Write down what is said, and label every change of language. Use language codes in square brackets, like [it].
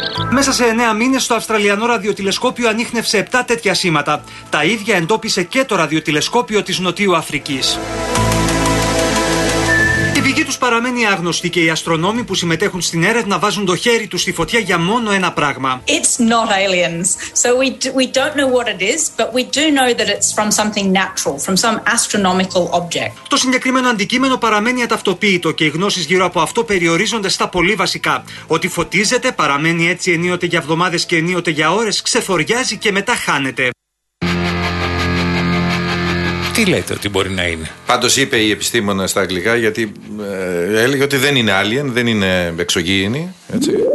[el] Μέσα σε 9 μήνες το Αυστραλιανό ραδιοτηλεσκόπιο ανείχνευσε 7 τέτοια σήματα. Τα ίδια εντόπισε και το ραδιοτηλεσκόπιο της Νοτίου Αφρικής. Η πηγή τους παραμένει άγνωστη και οι αστρονόμοι που συμμετέχουν στην έρευνα βάζουν το χέρι τους στη φωτιά για μόνο ένα πράγμα. [en] It's not aliens. So we don't know what it is, but we do know that it's from something natural, from some astronomical object. [el] Το συγκεκριμένο αντικείμενο παραμένει αταυτοποίητο και οι γνώσεις γύρω από αυτό περιορίζονται στα πολύ βασικά. Ότι φωτίζεται, παραμένει έτσι ενίοτε για εβδομάδες και ενίοτε για ώρες, ξεφοριάζει και μετά χάνεται. Τι λέτε ότι μπορεί να είναι? Πάντως είπε η επιστήμονα στα αγγλικά, γιατί έλεγε ότι δεν είναι alien, δεν είναι εξωγήινη, έτσι.